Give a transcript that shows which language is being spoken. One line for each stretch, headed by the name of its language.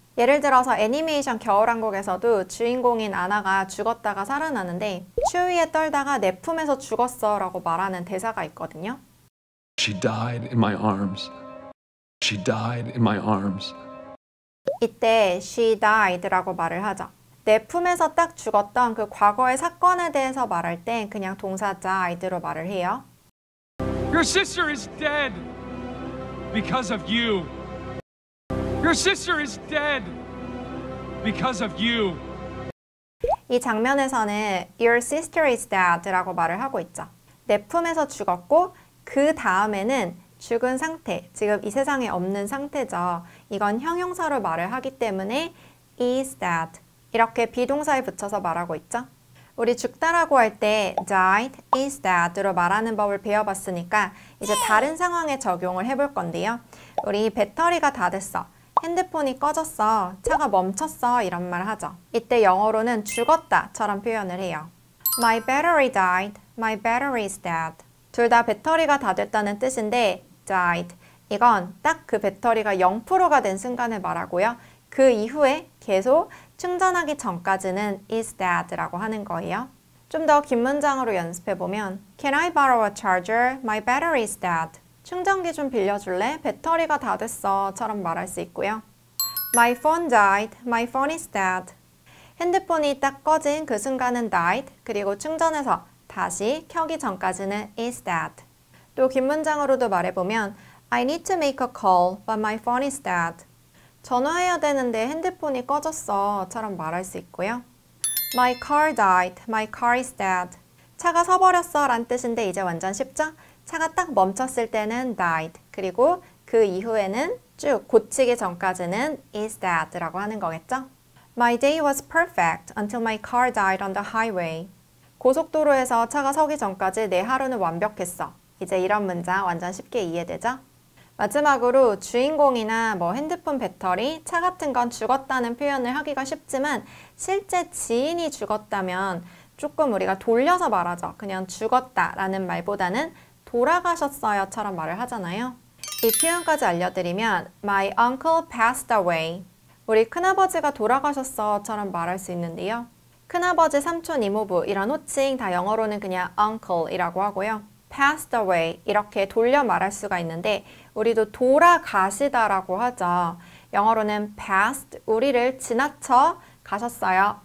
Korean: 예를 들어서 애니메이션 겨울왕국에서도 주인공인 아나가 죽었다가 살아나는데 추위에 떨다가 내 품에서 죽었어라고 말하는 대사가 있거든요.
English: She died in my arms. She died in my arms.
Korean: 이때
English: she died
Korean: 라고 말을 하죠. 내 품에서 딱 죽었던 그 과거의 사건에 대해서 말할 땐 그냥 동사 died로 말을 해요.
English: Your sister is dead because of you. Your sister is dead because of you.
Korean: 이 장면에서는
English: Your sister is dead
Korean: 라고 말을 하고 있죠. 내 품에서 죽었고, 그 다음에는 죽은 상태, 지금 이 세상에 없는 상태죠. 이건 형용사로 말을 하기 때문에
English: is dead.
Korean: 이렇게 비동사에 붙여서 말하고 있죠. 우리 죽다라고 할때
English: died, is dead
Korean: 로 말하는 법을 배워봤으니까 이제 다른 상황에 적용을 해볼 건데요. 우리 배터리가 다 됐어, 핸드폰이 꺼졌어, 차가 멈췄어 이런 말 하죠. 이때 영어로는 죽었다처럼 표현을 해요.
English: My battery died, my battery is dead.
Korean: 둘다 배터리가 다 됐다는 뜻인데
English: died
Korean: 이건 딱그 배터리가 0%가 된 순간을 말하고요. 그 이후에 계속 충전하기 전까지는
English: is dead
Korean: 라고 하는 거예요. 좀더긴 문장으로 연습해 보면
English: Can I borrow a charger? My battery is dead.
Korean: 충전기 좀 빌려줄래? 배터리가 다 됐어.처럼 말할 수 있고요.
English: My phone died. My phone is dead.
Korean: 핸드폰이 딱 꺼진 그 순간은
English: died.
Korean: 그리고 충전해서 다시 켜기 전까지는
English: is dead.
Korean: 또긴 문장으로도 말해 보면
English: I need to make a call, but my phone is dead.
Korean: 전화해야 되는데 핸드폰이 꺼졌어.처럼 말할 수 있고요.
English: My car died. My car is dead.
Korean: 차가 서버렸어란 뜻인데 이제 완전 쉽죠? 차가 딱 멈췄을 때는
English: died.
Korean: 그리고 그 이후에는 쭉 고치기 전까지는
English: is dead
Korean: 라고 하는 거겠죠?
English: My day was perfect until my car died on the highway.
Korean: 고속도로에서 차가 서기 전까지 내 하루는 완벽했어. 이제 이런 문장 완전 쉽게 이해되죠? 마지막으로 주인공이나 뭐 핸드폰 배터리, 차 같은 건 죽었다는 표현을 하기가 쉽지만 실제 지인이 죽었다면 조금 우리가 돌려서 말하죠. 그냥 죽었다라는 말보다는 돌아가셨어요처럼 말을 하잖아요. 이 표현까지 알려드리면
English: My uncle passed away.
Korean: 우리 큰아버지가 돌아가셨어처럼 말할 수 있는데요. 큰아버지, 삼촌, 이모부 이런 호칭 다 영어로는 그냥 uncle이라고 하고요.
English: passed away
Korean: 이렇게 돌려 말할 수가 있는데 우리도 돌아가시다라고 하죠. 영어로는
English: passed
Korean: 우리를 지나쳐 가셨어요.